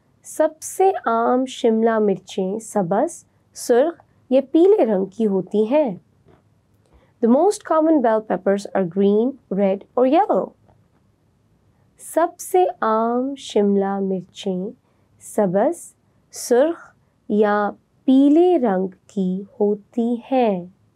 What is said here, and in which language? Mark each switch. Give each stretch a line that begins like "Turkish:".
Urdu: सबसे आम शिमला मिर्चें सबस सुर्ख या पीले रंग की होती हैं.
English: The most common bell peppers are green, red or yellow.
Urdu: सबसे आम शिमला मिर्चें सबस सुर्ख या पीले रंग की होती हैं.